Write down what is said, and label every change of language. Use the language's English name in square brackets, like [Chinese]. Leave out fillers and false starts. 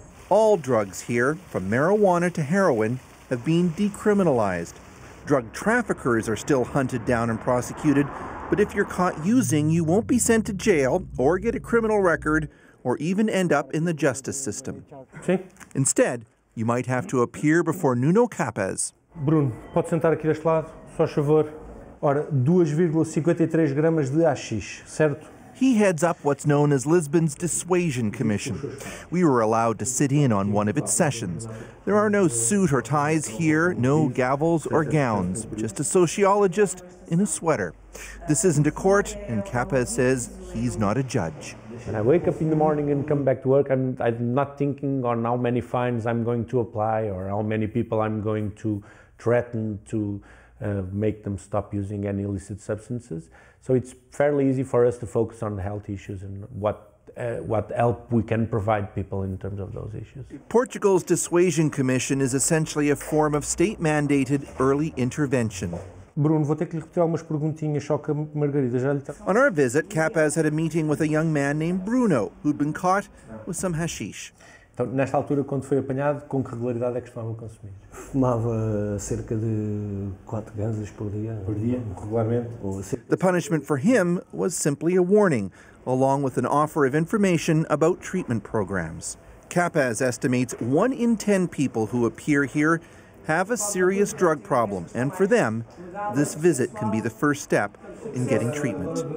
[English] All drugs here, from marijuana to heroin, have been decriminalized. Drug traffickers are still hunted down and prosecuted, but if you're caught using, you won't be sent to jail or get a criminal record or even end up in the justice system. [Portuguese] Sim. [English] Instead, you might have to appear before Nuno Capes. [Portuguese] Bruno, pode sentar aqui deste lado, só a favor. Ora, 2,53 gramas de AX, certo? [English] He heads up what's known as Lisbon's Dissuasion Commission. We were allowed to sit in on one of its sessions. There are no suit or ties here, no gavels or gowns, just a sociologist in a sweater. This isn't a court, and Capes says he's not a judge. And I wake up in the morning and come back to work, and I'm not thinking on how many fines I'm going to apply or how many people I'm going to threaten to make them stop using any illicit substances. So it's fairly easy for us to focus on health issues and what help we can provide people in terms of those issues. Portugal's Dissuasion Commission is essentially a form of state-mandated early intervention. [Portuguese] Bruno, vou ter que lhe repetir algumas perguntinhas, só que a Margarida já lhe está... [English] On our visit, Capes had a meeting with a young man named Bruno, who'd been caught with some hashish. [Portuguese] Então, nesta altura, quando foi apanhado, com que regularidade é que costumava consumir? Fumava cerca de 4 ganzas por dia. Por dia, regularmente. [English] The punishment for him was simply a warning, along with an offer of information about treatment programs. Capes estimates 1 in 10 people who appear here have a serious drug problem, and for them, this visit can be the first step in getting treatment.